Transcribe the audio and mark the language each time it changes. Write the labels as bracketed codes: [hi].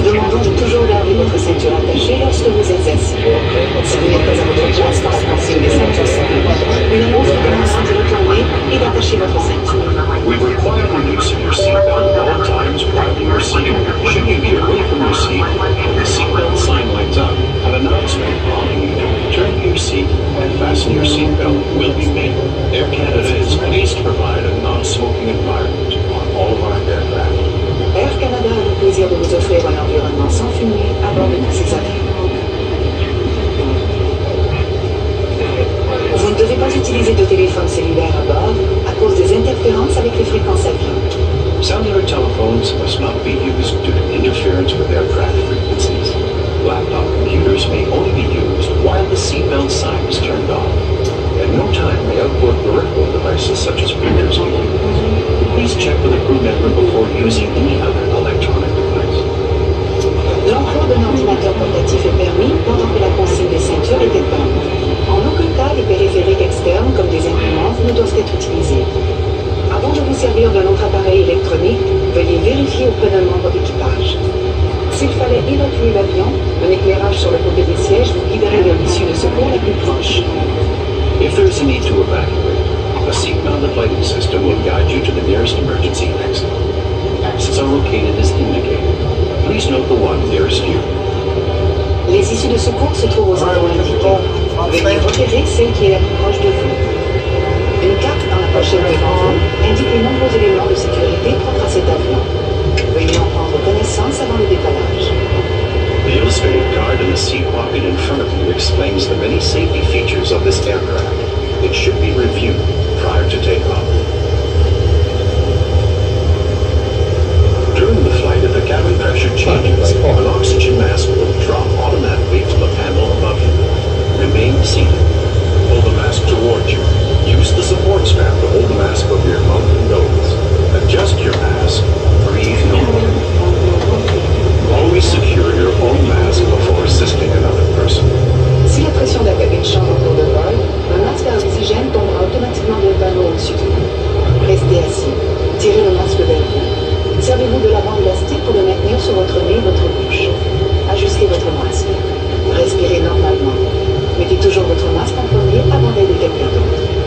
[fr] vous demandons de toujours garder votre ceinture attachée lorsque vous êtes assis. Si vous n'êtes pas à votre place, passez une ceinture simple. Une montre pour vous sentir tourné et d'attacher votre ceinture. [en] We require the use of your seatbelt at all times while you are seated. Should you be away from your seat, have the seatbelt sign lights up. An announcement prompting you to return to your seat and fasten your seatbelt will be made. Air Canada is pleased to provide a non-smoking environment on all of our aircraft. [fr] Air Canada a le plaisir de vous offrir un environnement sans fumée à bord de tous ses avions. Vous ne devez pas utiliser de téléphone cellulaire à bord à cause des interférences avec les fréquences avions. [en] Cellular telephones must not be used due to interference with aircraft frequencies. Laptop computers may only be used while the seatbelt sign is turned off. At no time may outboard peripheral devices such as printers be used. Please check with a crew member before using any other electronic device. [fr] L'emploi d'un ordinateur portatif est permis pendant que la consigne des ceintures est éteinte. En aucun cas, les périphériques externes comme des imprimantes ne doivent être utilisés. Avant de vous servir d'un autre appareil électronique, veuillez vérifier auprès d'un membre d'équipage. S'il fallait évacuer l'avion, un éclairage sur le côté des sièges vous guiderait vers l'issue de secours la plus proche. [en] If there's a need to evacuate, a seat-mounted lighting system will guide you to the nearest emergency exit. Exits are located as indicated. Please note the one nearest you. [fr] Les issues de secours se trouvent aux endroits indiqués. Veuillez repérer celle qui est la plus proche de vous. Une carte dans la poche de l'avion indique les nombreux éléments de sécurité propres à cet avion. Veuillez en prendre connaissance avant le décollage. [en] The illustrated card in the seat pocket in front of you explains the many safety features of this aircraft. It should be reviewed prior to takeoff. During the flight, if the cabin pressure changes, an oxygen mask will drop automatically from the panel above you. Remain seated. Pull the mask towards you. Use the support strap to hold the mask over your mouth and nose. Adjust your mask. Breathe normally. Always secure your own mask before assisting another person. [fr] Si la pression de la cabine change au cours de vol, le masque à oxygène tombera automatiquement vers le panneau au-dessus de vous. Restez assis. Tirez le masque vers vous. Servez-vous de la bande élastique pour le maintenir sur votre nez et votre bouche. Ajustez votre masque. Respirez normalement. Mettez toujours votre masque en premier avant d'aider quelqu'un d'autre.